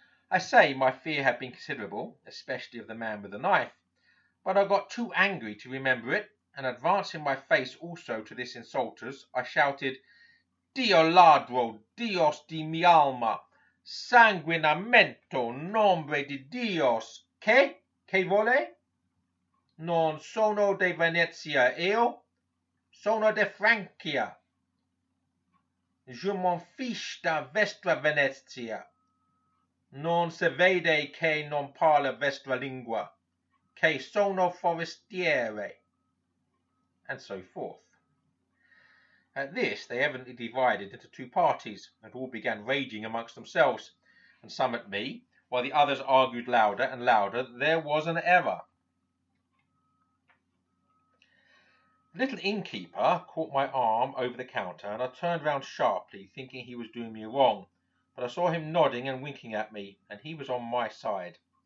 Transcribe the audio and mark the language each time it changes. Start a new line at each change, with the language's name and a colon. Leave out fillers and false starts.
English: I say my fear had been considerable, especially of the man with the knife, but I got too angry to remember it, and advancing my face also to this insulter's, I shouted,
Italian: "Dio ladro, Dios di mi alma, sanguinamento, nombre di Dios, che vuole? Non sono de Venezia, io, sono de Francia.
French: Je m'en fiche
Italian: da vestra Venezia. Non se vede che non parla vestra lingua, che sono forestiere," and so forth.
English: At this, they evidently divided into two parties, and all began raging amongst themselves, and some at me, while the others argued louder and louder that there was an error. The little innkeeper caught my arm over the counter, and I turned round sharply, thinking he was doing me wrong, but I saw him nodding and winking at me, and he was on my side.